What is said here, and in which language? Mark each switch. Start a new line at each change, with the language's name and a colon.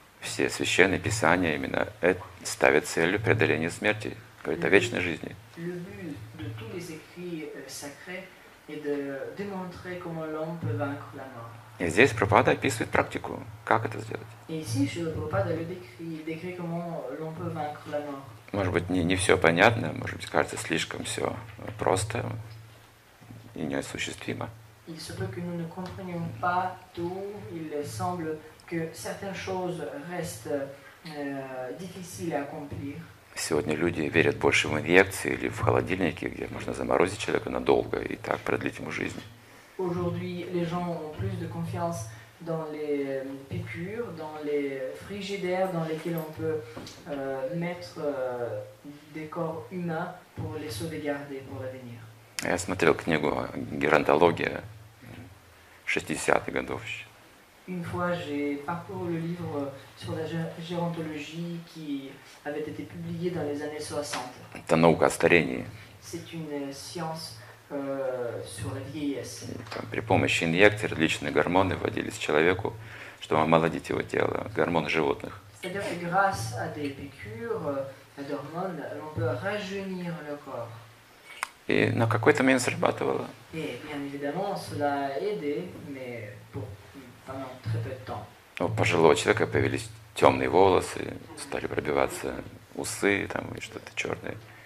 Russian: Все священные писания именно ставят целью преодоления смерти, говорят о вечной жизни.
French: Le but de tous les écrits sacrés est de démontrer comment l'homme peut vaincre la mort.
Russian: И здесь Прабхупада описывает практику, как это сделать.
French: Ici, décrit comment l'on peut vaincre la mort.
Russian: Может быть, не все понятно, может быть, кажется слишком все просто и неосуществимо.
French: Il se peut que nous ne comprenions pas tout. Il semble que certaines choses restent difficiles à accomplir.
Russian: Сегодня люди верят больше в инъекции или в холодильники, где можно заморозить человека надолго и так продлить ему жизнь.
French: Aujourd'hui, les gens ont plus de confiance dans les piqûres, dans les frigidaires dans lesquels on peut mettre des corps humains pour les sauvegarder pour l'avenir.
Russian: Я смотрел книгу «Геронтология» 60-х годов.
French: Une fois, j'ai parcouru le livre sur la gérontologie qui avait été publié dans les années 60.
Russian: Это наука о старении.
French: C'est une science sur la vieillesse.
Russian: Там, при помощи инъекций различные гормоны вводились человеку, чтобы омолодить его тело, гормоны животных.
French: C'est-à-dire que grâce à des piqûres d'hormones, l'on peut rajeunir le corps.
Russian: И на какой-то момент срабатывало.
French: Et bien évidemment, cela aidait, mais pendant très peu de temps.
Russian: У пожилого человека появились темные волосы, стали пробиваться усы, там и что-то черное.